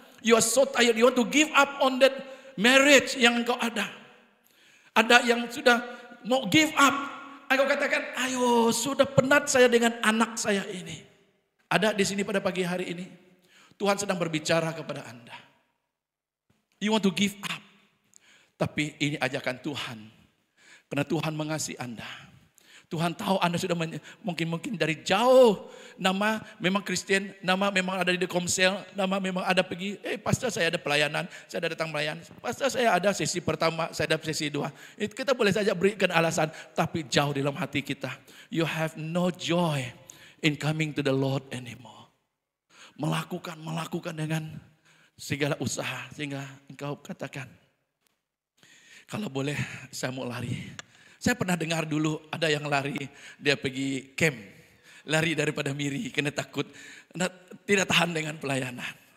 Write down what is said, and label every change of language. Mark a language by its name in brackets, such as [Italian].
[English] You are so tired. You want to give up on that marriage [Malay] yang engkau ada. Ada yang sudah mau [English] give up. [Malay] Engkau katakan, ayo sudah penat saya dengan anak saya ini. Ada di sini pada pagi hari ini. Tuhan sedang berbicara kepada Anda. [English] You want to give up. [Malay] Tapi ini ajakan Tuhan. Karena Tuhan mengasihi Anda. Tuhan tahu Anda sudah mungkin dari jauh. Nama memang Kristen, nama memang ada di The Comsel, nama memang ada pergi. Pastor saya ada pelayanan, saya ada datang melayani. Pastor saya ada sesi pertama, saya ada sesi dua. Kita boleh saja berikan alasan, tapi jauh dalam hati kita. [English] You have no joy in coming to the Lord anymore. [Malay] Melakukan dengan segala usaha. Sehingga engkau katakan, kalau boleh saya mau lari. Saya pernah dengar dulu ada yang lari, dia pergi camp. Lari daripada miri, kena takut, tidak tahan dengan pelayanan.